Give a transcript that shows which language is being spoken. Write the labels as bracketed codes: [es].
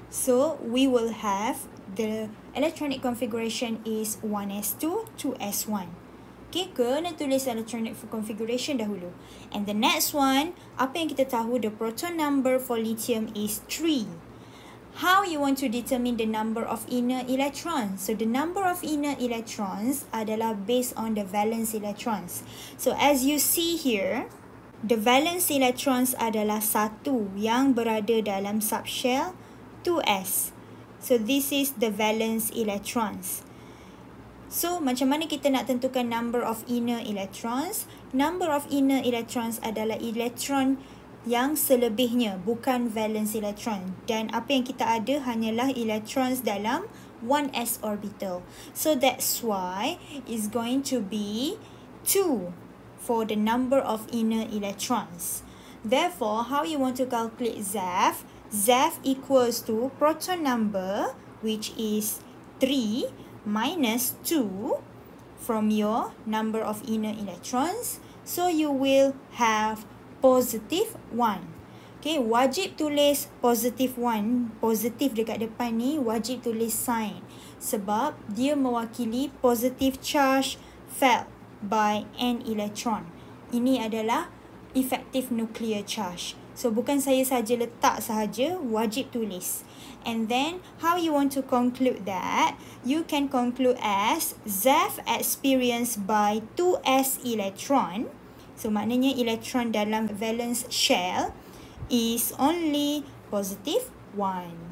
[en] So we will have the electronic configuration is 1s2, 2s1. Okay, [ms] kena tulis [en] electronic configuration [ms] dahulu. [en] And the next one, [ms] apa yang kita tahu, [en] the proton number for lithium is 3. How you want to determine the number of inner electrons? So the number of inner electrons adalah based on the valence electrons. So as you see here, the valence electrons adalah 1 [ms] yang berada dalam [en] subshell 2s. So this is the valence electrons. So [ms] macam mana kita nak tentukan [en] number of inner electrons? Number of inner electrons adalah electron [ms] yang selebihnya, bukan [en] valence electron. [ms] Dan apa yang kita ada hanyalah electrons dalam 1s orbital. [en] So that's why it's going to be 2 for the number of inner electrons. Therefore, how you want to calculate ZEV? ZEV equals to proton number, which is 3, minus 2 from your number of inner electrons. So you will have positive 1. [ms] Okay, wajib tulis positive 1. Positive dekat depan ni, wajib tulis sign. Sebab dia mewakili [en] positive charge felt by an electron. [ms] Ini adalah effective nuclear charge. So, bukan saya sahaja letak sahaja, wajib tulis. [en] And then, how you want to conclude that? You can conclude as ZEV experienced by 2s electron. So, [ms] maknanya [en] electron dalam valence shell is only positive 1.